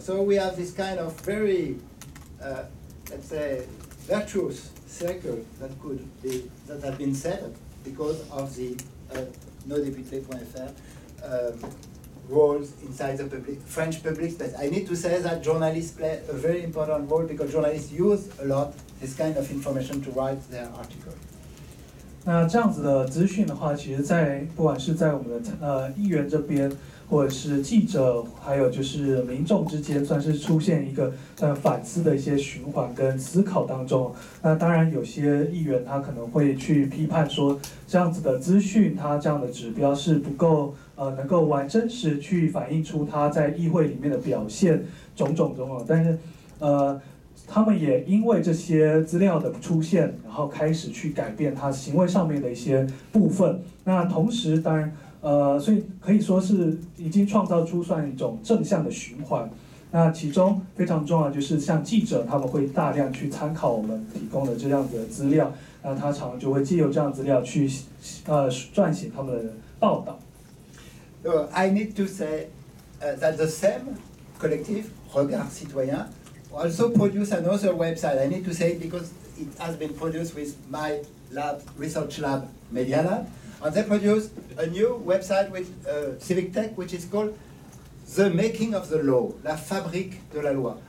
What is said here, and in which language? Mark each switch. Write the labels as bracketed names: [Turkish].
[English] So we have this kind of very, let's say, virtuous circle that could be, that have been set up because of the nodeputé.fr roles inside the public, French public space. I need to say that journalists play a very important role because journalists use a lot this kind of information to write their articles. [Chinese] 那这样子的资讯的话，其实在不管是在我们的议员这边，或者是记者，还有就是民众之间，算是出现一个反思的一些循环跟思考当中。那当然有些议员他可能会去批判说，这样子的资讯他这样的指标是不够能够完真实去反映出他在议会里面的表现种种。但是他们也因为这些资料的出现，然后开始去改变他行为上面的一些部分。那同时当然所以可以说是已经创造出算一种正向的循环。那其中非常重要就是像记者他们会大量去参考我们提供的这样的资料，那他常常就会借由这样资料去撰写他们的报道。 [English] I need to say that the same collective Regard Citoyen also produce another website. I need to say it because it has been produced with my lab, research lab, Media Lab. And they produce a new website with Civic Tech, which is called The Making of the Law, La Fabrique de la Loi.